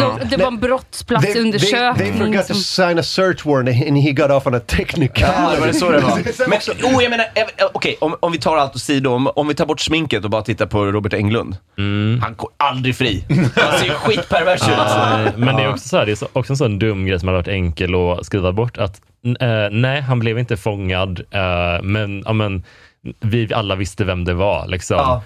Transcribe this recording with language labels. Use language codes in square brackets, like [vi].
[sv] det var en brottsplatsundersökning. [en] They forgot to sign a search warrant and he got off on a technical. [sv] Ja, det var det så det var. Men, jag menar, okej, om vi tar allt åt sidan, om vi tar bort sminket och bara tittar på Robert Englund. Mm. Han går aldrig fri. Han ser skitpervers ut. Men det är också så här, det är också en sån dum grej som har varit enkel att skriva bort, att nej, han blev inte fångad, men vi alla visste vem det var liksom.